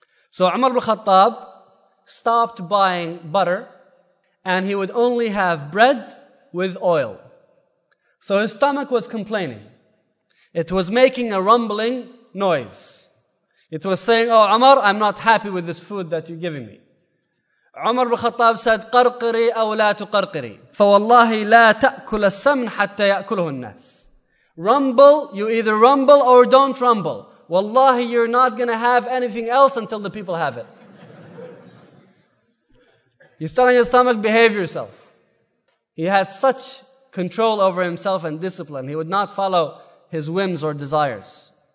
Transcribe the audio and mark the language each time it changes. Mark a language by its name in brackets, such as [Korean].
[English] So Umar ibn Khattab stopped buying butter and he would only have bread with oil. So his stomach was complaining. It was making a rumbling noise. It was saying, oh Umar, I'm not happy with this food that you're giving me. [Arabic] Umar ibn Khattab said, قرقري أو لا تقرقري فوالله لا تأكل السمن حتى يأكله الناس. [English] Rumble, you either rumble or don't rumble. Wallahi, you're not going to have anything else until the people have it. He's telling his stomach, behave yourself. He had such control over himself and discipline. He would not follow his whims or desires.